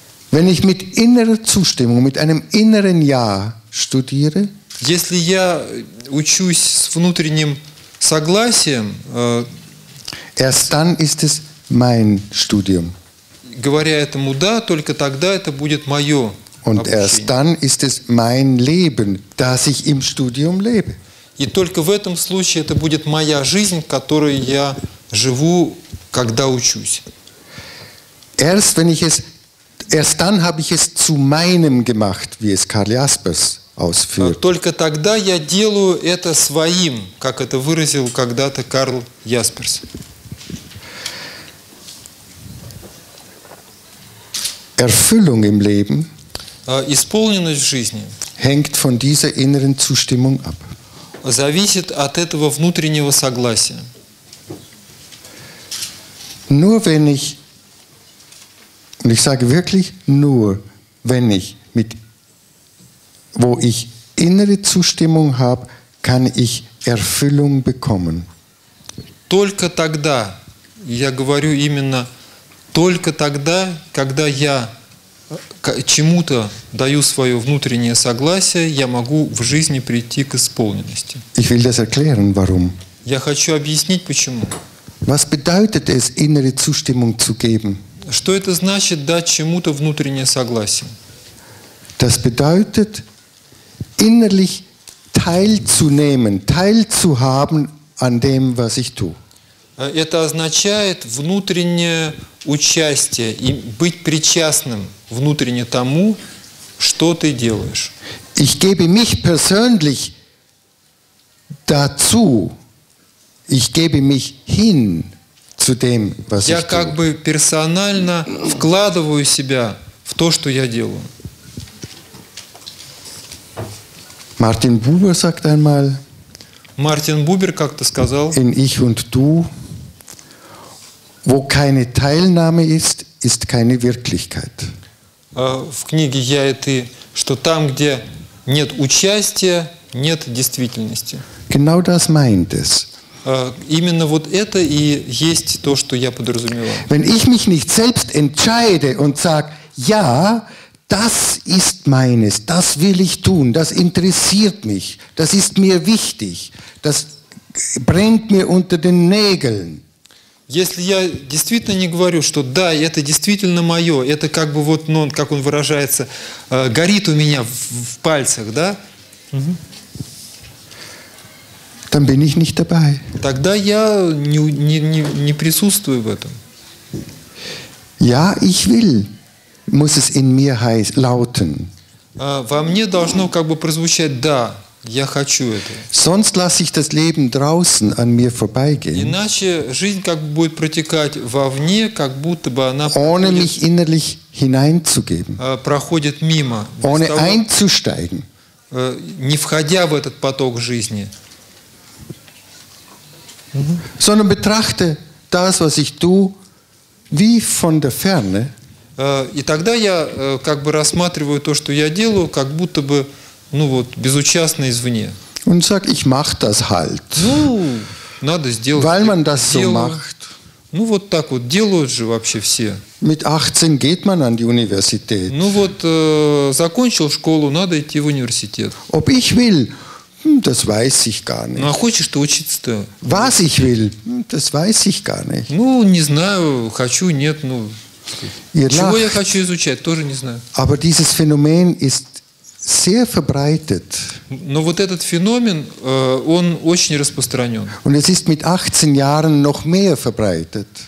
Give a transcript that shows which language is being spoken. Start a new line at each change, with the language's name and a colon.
German: Wenn ich mit innerer Zustimmung, mit einem inneren Ja studiere,
Russian: если я учусь с внутренним согласием,
German: erst dann ist es mein Studium.
Russian: Говоря этому да, только тогда это будет мое.
German: Und erst dann ist es mein Leben, das ich im Studium lebe.
Russian: И только в этом случае это будет моя жизнь, которой я живу, когда учусь.
German: Erst wenn ich es, erst dann habe ich es zu meinem gemacht, wie es Karl Jaspers ausführt.
Russian: Только тогда я делаю это своим, как это выразил когда-то Карл Ясперс.
German: Erfüllung im Leben
Russian: исполненность в жизни
German: hängt von dieser inneren Zustimmung ab.
Russian: Зависит от этого внутреннего согласия.
German: Nur wenn ich, und ich sage wirklich nur, wenn ich mit, wo ich innere Zustimmung habe, kann ich Erfüllung bekommen.
Russian: Только тогда, я говорю именно, только тогда, когда я чему-то даю свое внутреннее согласие, я могу в жизни прийти к исполненности.
German: Ich will das erklären, warum.
Russian: Я хочу объяснить, почему.
German: Was bedeutet es, innere Zustimmung zu geben?
Russian: Что это значит дать чему-то внутреннее согласие?
German: Das bedeutet, innerlich teilzunehmen, teilzuhaben an dem, was ich tue.
Russian: Это означает внутреннее участие и быть причастным внутренне тому, что ты делаешь.
German: Ich gebe mich persönlich dazu. Ich gebe mich hin zu dem, was ich tue.
Russian: Я как бы персонально вкладываю себя в то, что я делаю.
German: Martin Buber sagt einmal.
Russian: Martin Buber как-то сказал.
German: In ich und du. Wo keine Teilnahme ist, ist keine Wirklichkeit.
Russian: В книге «Я и ты», что там, где нет участия, нет действительности.
German: Genau das meint es.
Russian: Именно вот это и есть то, что я подразумевал.
German: Wenn ich mich nicht selbst entscheide und sage, ja, das ist meines, das will ich tun, das interessiert mich, das ist mir wichtig, das brennt mir unter den Nägeln.
Russian: Если я действительно не говорю, что да, это действительно мое, это как бы вот, ну, как он выражается, горит у меня в пальцах, да?
German: Dann bin ich nicht dabei.
Russian: Тогда я не присутствую в этом.
German: Ja, ich will, muss es in mir lauten.
Russian: Во мне должно как бы прозвучать «да». Я хочу это.
German: Sonst lasse ich das Leben draußen an mir vorbeigehen.
Russian: Иначе жизнь как бы будет протекать вовне, как будто бы она
German: ohne mich innerlich hineinzugeben.
Russian: Проходит мимо.
German: Ohne
Russian: того,
German: einzusteigen.
Russian: Не входя в этот поток жизни.
German: Sondern betrachte das, was ich tue, wie von der Ferne.
Russian: И тогда я как бы рассматриваю то, что я делаю, как будто бы ну вот, безучастно извне.
German: Und sag, ich mach das halt.
Russian: Ну, надо сделать.
German: Weil man das so macht.
Russian: Ну, вот так вот, делают же вообще все.
German: Mit 18 geht man an die Universität.
Russian: Ну, вот, закончил школу, надо идти в университет.
German: Ob ich will, das weiß ich gar nicht.
Russian: Ну, а хочешь ты учиться-то?
German: Was ich will, das weiß ich gar nicht.
Russian: Ну, не знаю, хочу, нет, ну.
German: Ihr
Russian: чего
German: lacht.
Russian: Я хочу изучать, тоже не знаю.
German: Aber dieses Phänomen ist sehr verbreitet.
Russian: Но вот этот феномен, он очень распространен.
German: Und es ist mit 18 Jahren noch mehr verbreitet.